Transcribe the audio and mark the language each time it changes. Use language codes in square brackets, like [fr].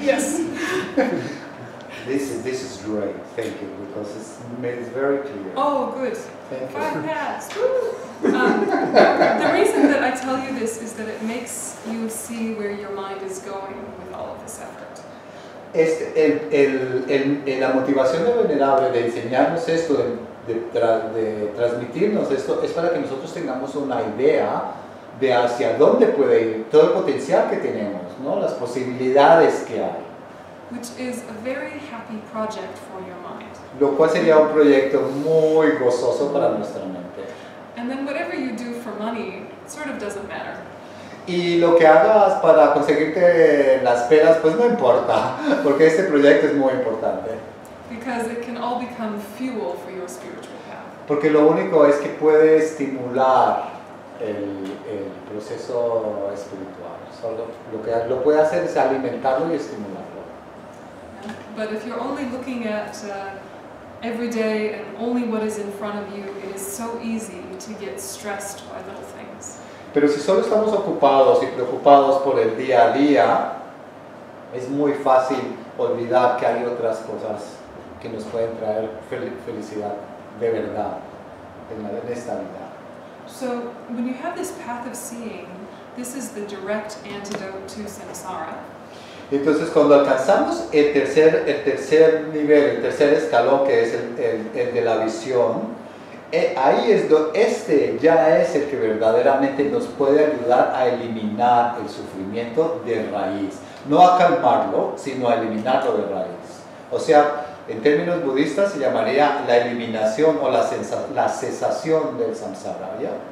[en] Yes. This is great. Thank you, because it's made it very clear. Oh, good. Thank five you. Cats. the reason that I tell you this is that it makes you see where your mind is going with all of this effort. [es] La motivación de Venerable de enseñarnos esto, de transmitirnos esto, es para que nosotros tengamos una idea de hacia dónde puede ir todo el potencial que tenemos, ¿no? Las posibilidades que hay. [en] Which is a very happy project for your mind. [es] Lo cual sería un proyecto muy gozoso para nuestra mente. [en] And then whatever you do for money sort of doesn't matter. [es] Y lo que hagas para conseguirte las pelas, pues no importa, porque este proyecto es muy importante. [en] Because it can all become fuel for your spiritual path. [es] Porque lo único es que puede estimular el proceso espiritual. Solo lo que lo puede hacer es alimentarlo y estimularlo. [en] But if you're only looking at every day and only what is in front of you, it is so easy to get stressed by little things. [es] Pero si solo estamos ocupados y preocupados por el día a día, es muy fácil olvidar que hay otras cosas que nos pueden traer felicidad de verdad en esta vida. [en] So when you have this path of seeing, this is the direct antidote to samsara. [es] Entonces, cuando alcanzamos el tercer nivel, el tercer escalón, que es el de la visión, ahí es este ya es el que verdaderamente nos puede ayudar a eliminar el sufrimiento de raíz. No a calmarlo, sino a eliminarlo de raíz. O sea, en términos budistas se llamaría la eliminación o la cesación del samsara, ¿ya?